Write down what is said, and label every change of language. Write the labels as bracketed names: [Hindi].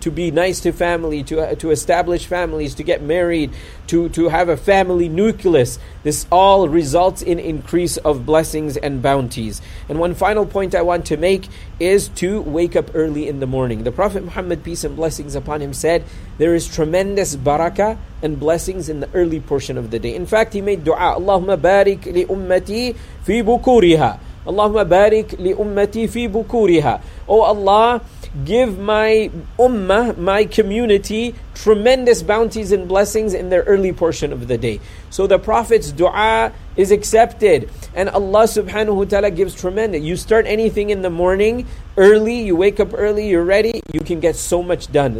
[English] To be nice to family, to establish families, to get married, to have a family nucleus. This all results in increase of blessings and bounties. And one final point I want to make is to wake up early in the morning. The Prophet Muhammad, peace and blessings upon him, said there is tremendous barakah and blessings in the early portion of the day. In fact, he made dua, [Arabic] اللهم بارك لأمتي في بكورها. Allahumma barik li ummati fi bukuriha. [English] Oh Allah, give my ummah, my community, tremendous bounties and blessings in their early portion of the day. So the Prophet's dua is accepted, and Allah subhanahu wa ta'ala gives tremendous. You start anything in the morning, early, you wake up early, you're ready, you can get so much done.